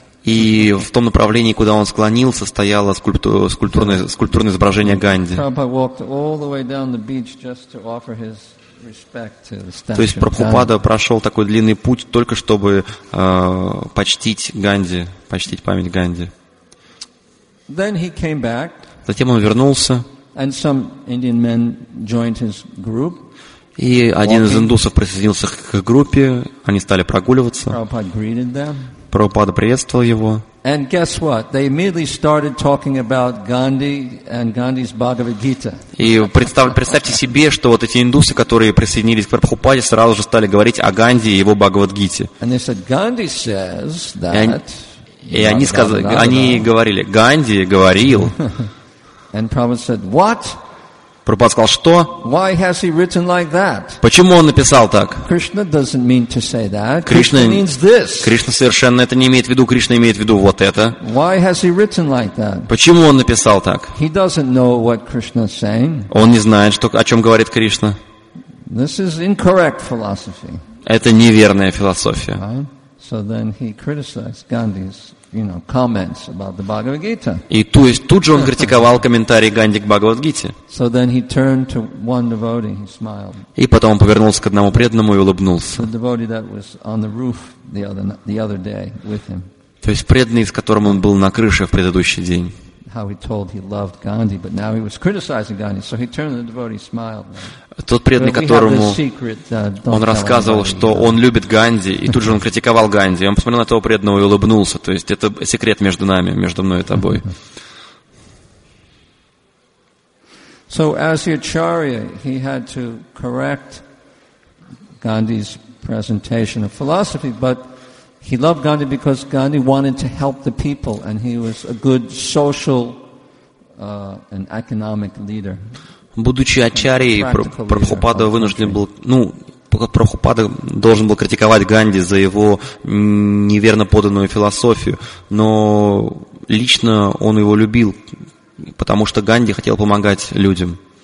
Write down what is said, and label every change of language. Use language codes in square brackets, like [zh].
[ru] И в том направлении, куда он склонился, стояло скульптурное изображение Ганди. [en] Prabhupada walked all the way down the beach just to offer his respect to the statue. [ru] То есть Прабхупада прошел такой длинный путь только чтобы почтить Ганди, почтить память Ганди. [en] Then he came back. [ru] Затем он вернулся. [en] And some Indian men joined his group. [ru] И один из индусов присоединился к группе, они стали прогуливаться. Прабхупада приветствовал его. [en] And guess what? They immediately started talking about Gandhi and Gandhi's Bhagavad Gita. [ru] И представьте себе, что вот эти индусы, которые присоединились к Прабхупаде, сразу же стали говорить о Ганди и его Бхагавад-гите. [en] And they said, Gandhi says that. [ru] И они сказали, они говорили, Ганди говорил. [en] And Prabhupada said, what? [ru] Прабхупада сказал, что? [en] Why has he written like that? [ru] Почему он написал так? [en] Krishna doesn't mean to say that. Krishna means this. [ru] Кришна совершенно это не имеет в виду. Кришна имеет в виду вот это. [en] Why has he written like that? [ru] Почему он написал так? [en] He doesn't know what Krishna's saying. [ru] Он не знает, о чем говорит Кришна. [en] This is incorrect philosophy. [ru] Это неверная философия. [en] So then he criticized Gandhi's, comments about the Bhagavad Gita. [ru] И тут же он критиковал комментарии Ганди к Бхагавад-гите. [en] So then he turned to one devotee, he smiled. [ru] И потом он повернулся к одному преданному и улыбнулся. [en] The devotee that was on the roof the other day with him. [ru] То есть преданный, с которым он был на крыше в предыдущий день. [en] How he told he loved Gandhi, but now he was criticizing Gandhi. So he turned to the devotee, smiled. [ru] Тот преданный, которому он рассказывал, что он любит Ганди, и тут же он критиковал Ганди. Он посмотрел на этого преданного и улыбнулся. То есть это секрет между нами, между мной и тобой. [en] So as the acharya, he had to correct Gandhi's presentation of philosophy, but he loved Gandhi because Gandhi wanted to help the people, and he was a good social and economic leader. [ru] Будучи ачарьей, Прабхупада вынужден был, Прабхупада должен был критиковать Ганди за его неверно поданную философию, но лично он его любил, потому что Ганди хотел помогать людям.